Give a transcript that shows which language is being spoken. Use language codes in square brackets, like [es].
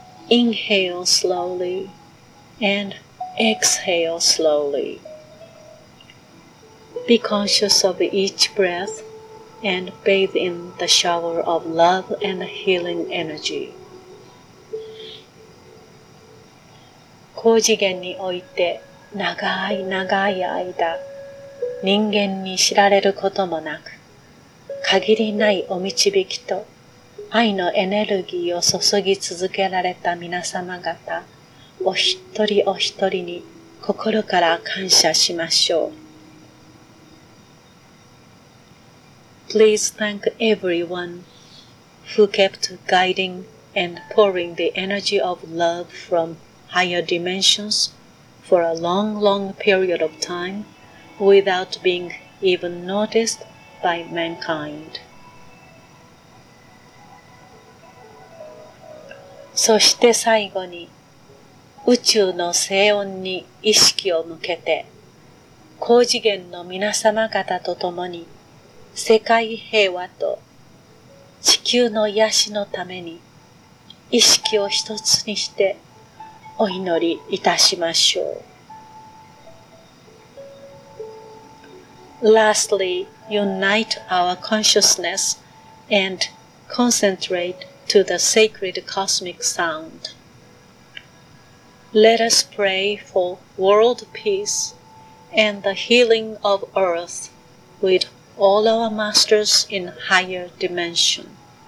[en] Inhale slowly and exhale slowly. Be conscious of each breath. And bathe in the shower of love and healing energy. [ja] 高次元において長い長い間、人間に知られることもなく、限りないお導きと愛のエネルギーを注ぎ続けられた皆様方、お一人お一人に心から感謝しましょう。 [en] Please thank everyone who kept guiding and pouring the energy of love from higher dimensions for a long, long period of time without being even noticed by mankind. [ja] そして最後に、宇宙の静音に意識を向けて、高次元の皆様方とともに、世界平和と地球の癒しのために意識を一つにしてお祈りいたしましょう。 [en] Lastly, unite our consciousness and concentrate to the sacred cosmic sound. Let us pray for world peace and the healing of earth with all our masters in higher dimensions.